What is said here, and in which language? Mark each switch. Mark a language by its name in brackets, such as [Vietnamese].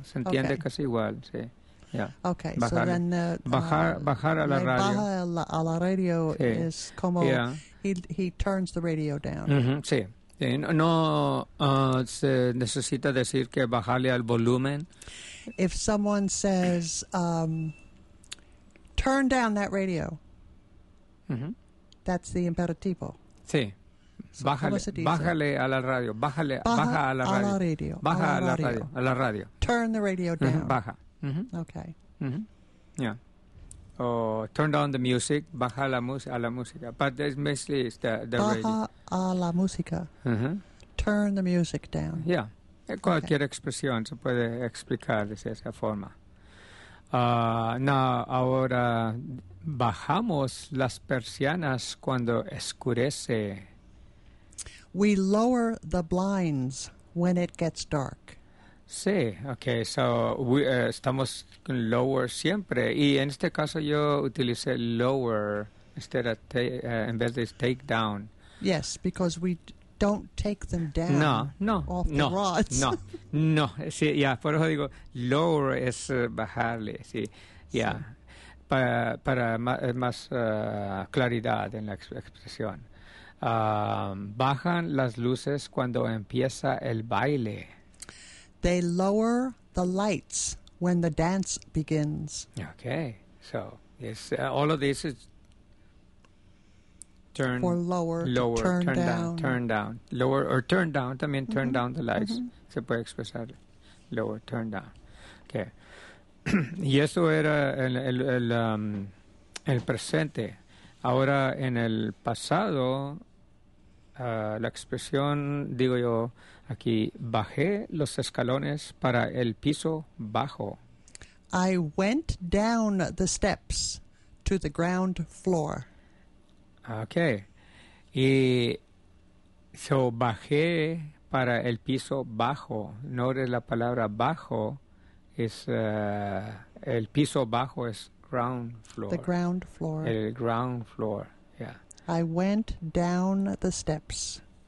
[Spanish] Se entiende casi igual. Sí. Yeah. [English] Okay, bajar, so then... [Spanish] Bajar a la radio. Baja a la radio es como... [English] Yeah. He turns the radio down. [Spanish] Mm-hmm. Sí. No se necesita decir que bajarle al volumen. [English] If someone says, turn down that radio, that's the imperativo. [Spanish] Sí. Bájale a la radio. Bájale, baja a la radio. A la radio. Baja a la radio. A la radio. [English] Turn the radio down. Uh-huh. [Spanish] Baja. Uh-huh. Okay. [English] Uh-huh. Yeah. Turn down the music, baja a la música. But it's mostly the [Spanish] baja [English] radio. [Spanish] Baja a la música. Uh-huh. [English] Turn the music down. Yeah. [Spanish] Cualquier expresión se puede explicar de esa forma. Ahora, bajamos las persianas cuando oscurece. [English] We lower the blinds when it gets dark. [Spanish] Sí, okay, so estamos con lower siempre. Y en este caso yo utilicé lower instead of en vez de take down. [English] Yes, because we don't take them down. [Spanish] No, no, [English] off [Spanish] no, [English] the rods. [Spanish] No, no, sí, ya, yeah, por eso digo lower es bajarle, sí, ya. Yeah, sí. Para más claridad en la expresión. Bajan las luces cuando empieza el baile. [English] They lower the lights when the dance begins. Okay, so it's, all of this is turn or lower, turn down, lower or turn down. También turn down the lights. Mm-hmm. Se puede expresar lower, turn down. [Spanish] Okay, y eso era el presente. Ahora en el pasado. La expresión, digo yo, aquí, bajé los escalones para el piso bajo. [English] I went down the steps to the ground floor. Okay. [Spanish] Y so, bajé para el piso bajo. Notice la palabra bajo es el piso bajo es ground floor. [English] The ground floor. [Spanish] El ground floor. [English] I went down the steps.